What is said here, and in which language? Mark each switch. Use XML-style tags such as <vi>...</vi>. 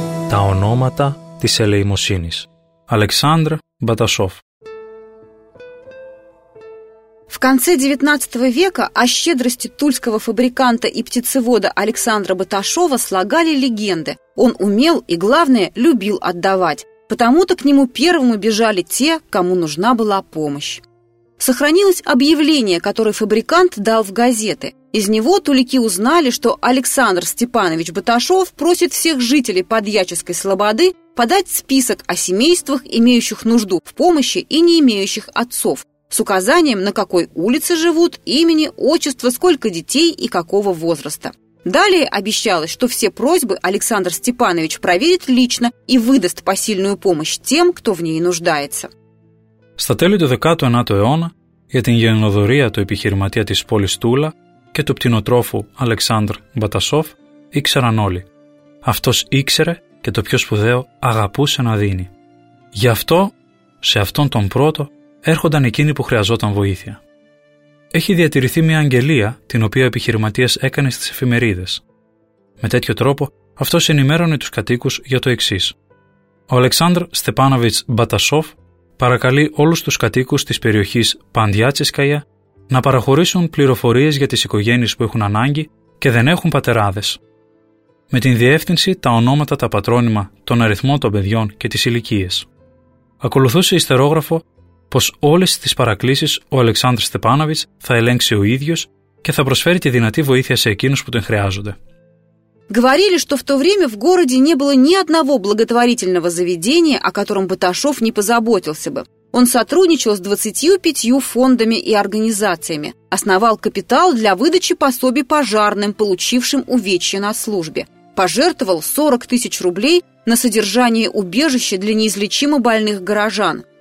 <el>Та ономата της ελεημοσύνης. Αλεξάνδρ Μπατασόφ.</el> <ru>В конце XIX века о щедрости тульского фабриканта и птицевода Александра Баташова слагали легенды. Он умел и, главное, любил отдавать. Потому-то к нему первому бежали те, кому нужна была помощь. Сохранилось объявление, которое фабрикант дал в газеты. Из него тулики узнали, что Александр Степанович Баташов просит всех жителей Подьяческой слободы подать список о семействах, имеющих нужду в помощи и не имеющих отцов, с указанием, на какой улице живут, имени, отчества, сколько детей и какого возраста. Далее обещалось, что все просьбы Александр Степанович проверит лично и выдаст посильную помощь тем, кто в ней нуждается.</ru> <el>Στα τέλη του 19ου αιώνα, για την γενναιοδωρία του επιχειρηματία της πόλης Τούλα και του πτηνοτρόφου Αλεξάνδρ Μπατασόφ ήξεραν όλοι. Αυτός ήξερε και το πιο σπουδαίο αγαπούσε να δίνει. Γι' αυτό, σε αυτόν τον πρώτο, έρχονταν εκείνοι που χρειαζόταν βοήθεια. Έχει διατηρηθεί μια αγγελία την οποία ο επιχειρηματίας έκανε στις εφημερίδες. Με τέτοιο τρόπο, αυτός ενημέρωνε τους κατοίκους για το εξής. Ο Αλεξάνδρ Στεπάνοβιτς Μπατασόφ παρακαλεί όλους τους κατοίκους της περιοχής Παντιάτσισκαγια να παραχωρήσουν πληροφορίες για τις οικογένειες που έχουν ανάγκη και δεν έχουν πατεράδες. Με την διεύθυνση, τα ονόματα, τα πατρόνυμα, τον αριθμό των παιδιών και τις ηλικίες. Ακολουθούσε ιστερόγραφο πως όλες τις παρακλήσεις ο Αλεξάνδρ Στεπάνοβιτς θα ελέγξει ο ίδιος και θα προσφέρει τη δυνατή βοήθεια σε εκείνους που τον χρειάζονται.</el> <ru>Говорили, что в то время в городе не было ни одного благотворительного заведения, о котором Баташов не позаботился бы. Он сотрудничал с 25 фондами и организациями, основал капитал для выдачи пособий пожарным, получившим увечья на службе, пожертвовал 40 тысяч рублей на содержание убежища для неизлечимо больных горожан.</ru>